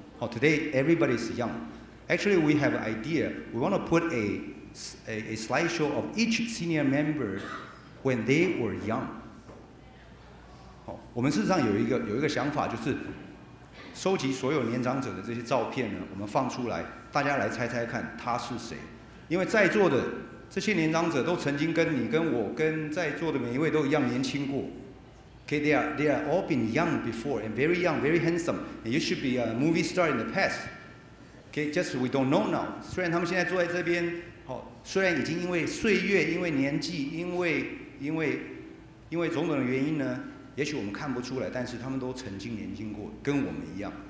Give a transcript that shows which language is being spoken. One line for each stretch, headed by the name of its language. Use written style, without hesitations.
English: Today, everybody is young. Actually, we have an idea. We want to put a slideshow of each senior member when they were young.
Chinese: 我们事实上有一个想法，就是收集所有年长者的这些照片呢，我们放出来，大家来猜猜看他是谁。因为在座的这些年长者都曾经跟你、跟我、跟在座的每一位都一样年轻过。
English: Okay, they are all been young before and very young, very handsome. And you should be a movie star in the past. Okay, just we don't know now.
Chinese: 虽然他们现在坐在这边。虽然已经因为岁月、因为年纪、因为种种的原因呢，也许我们看不出来，但是他们都曾经年轻过，跟我们一样。